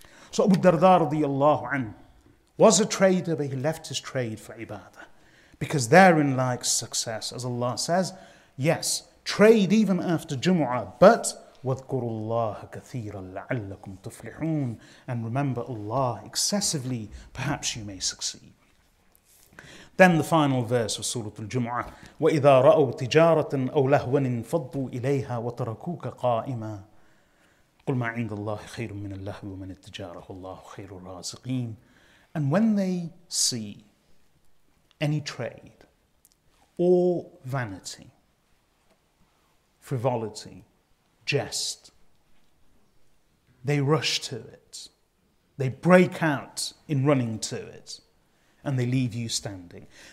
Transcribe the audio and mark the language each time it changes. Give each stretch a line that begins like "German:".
English: So Abu Darda radiallahu anhu was a trader, but he left his trade for ibadah. Because therein lies success. As Allah says, yes, trade even after Jumu'ah, but
Arabic: وَذْكُرُوا اللَّهَ كَثِيرًا لَعَلَّكُمْ تُفْلِحُونَ.
English: And remember Allah excessively, perhaps you may succeed. Then the final verse of Surah Al-Jumu'ah,
Arabic: وَإِذَا رَأَوْا تِجَارَةً أَوْ لَهْوًا فَضُّوا إِلَيْهَا وَتَرَكُوكَ قَائِمًا قُلْ مَا عِنْدَ اللَّهِ خَيْرٌ مِّنَ اللَّهْوِ وَمِنَ التِّجَارَةِ وَاللَّهُ خَيْرُ الرَّازِقِينَ.
English: And when they see any trade or vanity, frivolity, jest, they rush to it. They break out in running to it and they leave you standing.